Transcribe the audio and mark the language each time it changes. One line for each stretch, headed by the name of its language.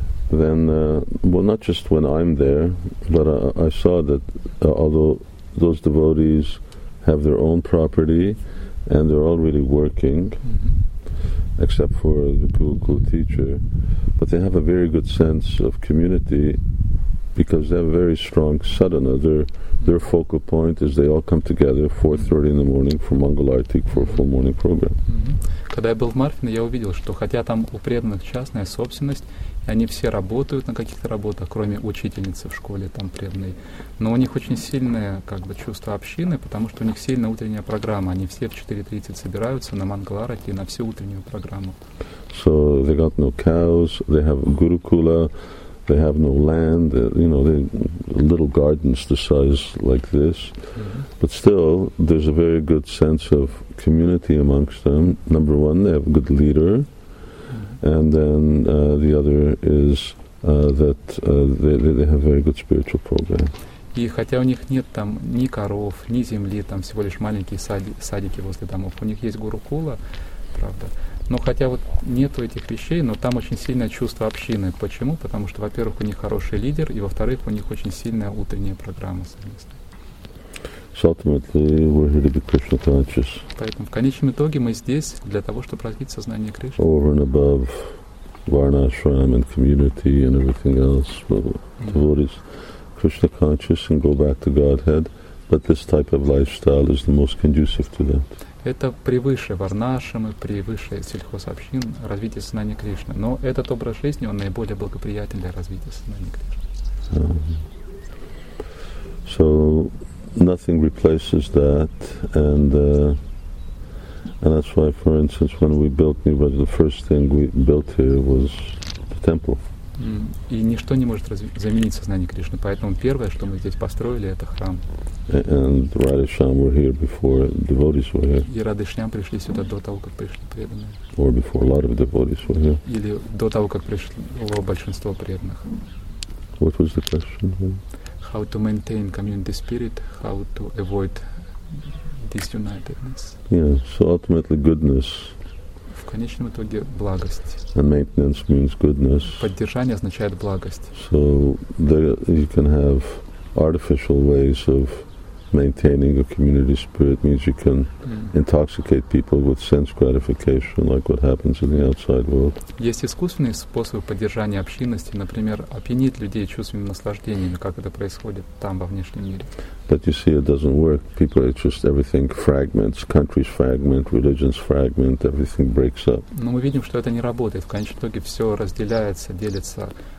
English: Then, not just when I'm there, but I saw that although those devotees have their own property, and they're all really working, except for the Google teacher. But they have a very good sense of community because they have a very strong sadhana. Their focal point is they all come together 4:30 in the morning for Mangalarti, for a full morning program.
Russian: Когда я был в Марфине, я увидел, что хотя там у преданных частная собственность, и они все работают на каких-то работах, кроме учительницы в школе там преданной, но у них очень сильное как бы чувство общины, потому что у них сильная утренняя программа. Они все в 4:30 собираются на Мангаларати на всю утреннюю программу.
English: So they got no cows, they have Gurukula, they have no land, you know, they little gardens the size like this. Mm-hmm. But still, there's a very good sense of community amongst them. Number one, they have a good leader. Mm-hmm. And then the other is that they have a very good spiritual program.
Russian: И хотя у них нет там ни коров, ни земли, там всего лишь маленькие садики возле домов, у них есть Гурукула, правда. Но хотя вот нету этих вещей, но там очень сильное чувство общины. Почему? Потому что, во-первых, у них хороший лидер, и, во-вторых, у них очень сильная утренняя программа совместная. Поэтому в конечном итоге мы здесь для того, чтобы развить сознание Кришны.
English: Over and above Varnashram and community and everything else, devotees, Krishna conscious and go back to Godhead, but this type of lifestyle is the most conducive to that.
Russian: Это превыше варнашамы, превыше сельхозобщин, развитие сознания Кришны. Но этот образ жизни, он наиболее благоприятен для развития сознания Кришны.
English: So, nothing replaces that, and that's why, for instance, when we built Nirvana, the first thing we built here was the temple.
Russian: И ничто не может заменить сознание Кришны, поэтому первое, что мы здесь построили, это храм.
English: And Radhishyam were here before devotees were here.
Russian: И Радхишьям пришли сюда до того, как пришли преданные.
English: Or before a lot of devotees were here.
Russian: Или до того, как пришло большинство преданных.
English: What was the question? How to maintain community spirit? How to avoid disunitedness? Yeah, so ultimately goodness.
Russian: В конечном итоге благость.
English: And maintenance means goodness.
Russian: Поддержание означает благость.
English: So there you can have artificial ways of maintaining a community spirit means you can intoxicate people with sense gratification, like what happens in the outside world.
Russian: Есть искусственные способы поддержания общинности, например, опьянить людей чувственными наслаждениями, как это происходит там во внешнем мире.
English: But you see, it doesn't work. People are just everything fragments, countries fragment, religions fragment, everything breaks up.
Russian: Но мы видим, что это не работает. В конечном итоге все разделяется, делится.